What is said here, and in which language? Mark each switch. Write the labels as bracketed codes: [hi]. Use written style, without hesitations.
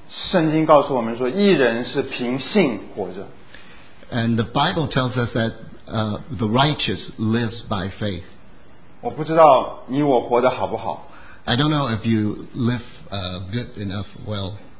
[zh] 圣经告诉我们说, 一人是凭信活着。 [en] And the Bible tells us that the righteous lives by faith. [zh] 我不知道你我活得好不好。 [en] I don't know if you live good enough well.